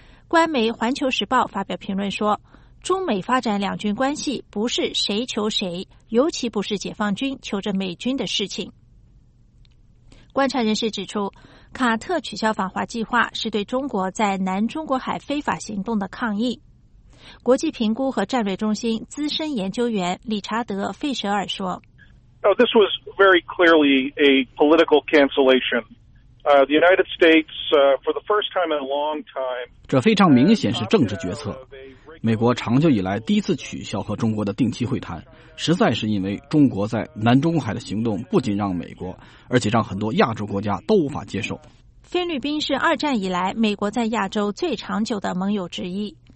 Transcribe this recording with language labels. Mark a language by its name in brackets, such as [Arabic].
[Chinese] 官媒《环球时报》发表评论说，中美发展两军关系不是谁求谁，尤其不是解放军求着美军的事情。观察人士指出，卡特取消访华计划是对中国在南中国海非法行动的抗议。国际评估和战略中心资深研究员理查德·费舍尔说 [English] This was very clearly a political cancellation. The United States, for the first time in a long time, [Chinese] 这非常明显是政治决策。美国长久以来第一次取消和中国的定期会谈，实在是因为中国在南中国海的行动不仅让美国，而且让很多亚洲国家都无法接受。菲律宾是二战以来美国在亚洲最长久的盟友之一。